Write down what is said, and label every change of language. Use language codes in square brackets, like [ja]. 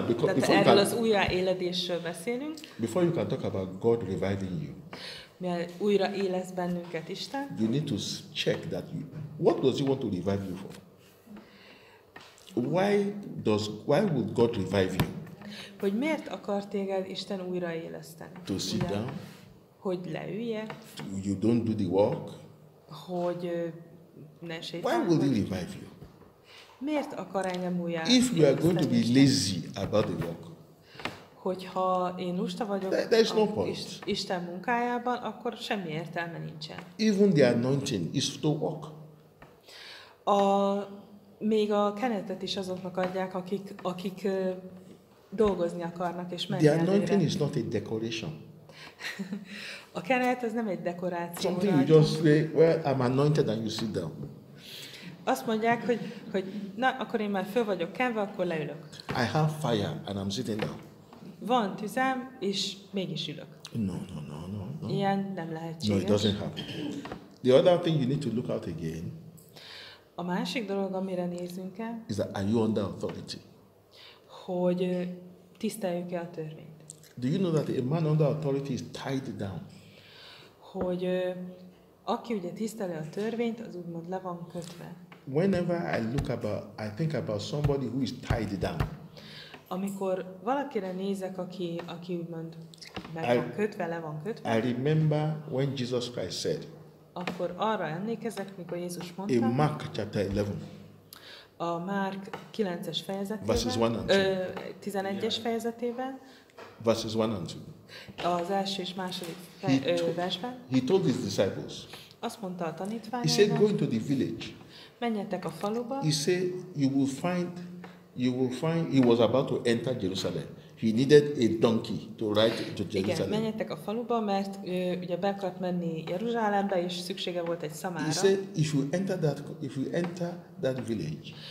[en] before you can, [hu] az újraéledésről beszélünk. [en] Before you can talk about God reviving you. [hu] Mert újra élesz bennünket Isten. [en] You need to check that you, what does he want to revive you for? Why would God revive you? [hu] Hogy miért akar téged Isten újraéleszteni? [en] To sit down. [hu] Hogy leülje. [en] You don't do the work. [hu] Hogy ne sétálj. [en] Why would he revive you? [hu] Miért akar engem újra éleszteni? [en] If you are going to be lazy about the work. [hu] Hogyha én lusta vagyok Isten munkájában, akkor semmi értelme nincsen. [en] Even the anointing is to work. [hu] A még a kenetet is azoknak adják, akik dolgozni akarnak és menni. [en] The anointing is not a decoration. [hu] A kenet az nem egy dekoráció. [en] Something you just say, well, I'm anointed and you sit down. [hu] Azt mondják, hogy na, akkor én már föl vagyok kenve, akkor leülök. [en] I have fire and I'm sitting down. [hu] Van tüzem, és mégis ülök. [en] No. [hu] Ilyen nem lehetséges. [en] No, it doesn't happen. The other thing you need to look at again, [hu] a másik dolog, amire nézünk el, [en] is that are you under authority? [hu] Hogy tiszteljük-e a törvényt. [en] Do you know that a man under authority is tied down? [hu] Hogy aki ugye tiszteli a törvényt, az úgymond le van kötve. [en] Whenever I look about, I think about somebody who is tied down. [hu] Amikor valakire nézek, aki úgymond le van kötve. [en] I remember when Jesus Christ said. [hu] Akkor arra emlékezek, mikor Jézus mondta. [en] In Mark chapter 11. [hu] A Márk 9-es fejezetében. [en] Verses 1 and [hu] 2. 11-es yeah. fejezetében. [en] Verses 1 and 2. [hu] Az első és második versben. [en] He told his disciples. [hu] Azt mondta a tanítványainak. [en] He said, go into the village. [hu] Menjetek a faluba. [en] He said, you will find, he was about to enter Jerusalem. He needed a donkey to ride to Jerusalem. [hu] Igen, menjetek a faluba, mert ugye be akart menni Jeruzsálembe, és szüksége volt egy szamára. [en] He said, if you enter that village,